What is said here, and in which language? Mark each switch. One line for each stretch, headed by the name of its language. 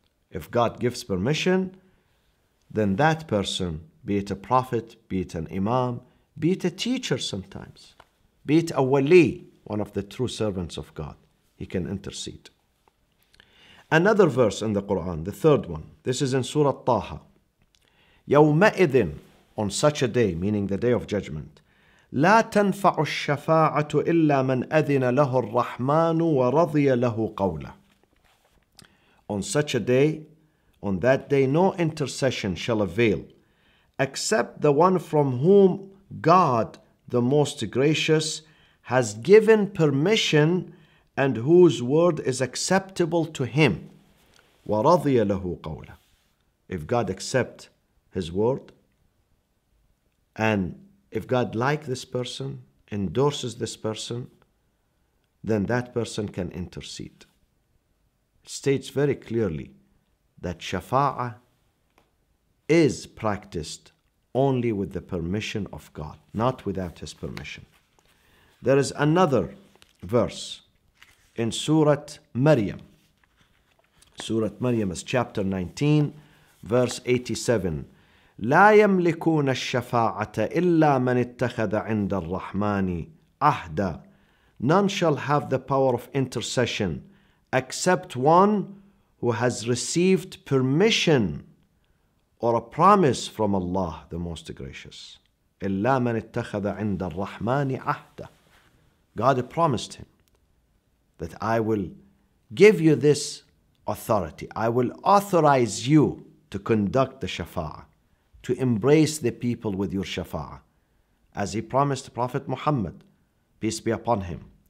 English: If God gives permission, then that person, be it a prophet, be it an imam, be it a teacher sometimes, be it a wali, one of the true servants of God, he can intercede. Another verse in the Quran, the third one, this is in Surah Taha.
Arabic: يَوْمَئِذٍ, on such a day, meaning the day of judgment, لا تنفع الشفاعة إلا من أذن له الرحمن ورضي له قوله.
English: On such a day, on that day, no intercession shall avail except the one from whom God, the Most Gracious, has given permission and whose word is acceptable to him.
Arabic: ورضي له قوله.
English: If God accept his word and if God likes this person, endorses this person, then that person can intercede. It states very clearly that Shafa'ah is practiced only with the permission of God, not without His permission. There is another verse in Surah Maryam. Surah Maryam is chapter 19, verse 87.
Arabic: لا يملكون الشفاعة إلا من اتخذ عند الرحمن عهدا.
English: None shall have the power of intercession except one who has received permission or a promise from Allah, the Most Gracious.
Arabic: إلا من اتخذ عند الرحمن عهدا.
English: God promised him that I will give you this authority. I will authorize you to conduct the shafa'ah, to embrace the people with your shafa'ah, as he promised Prophet Muhammad, peace be upon him.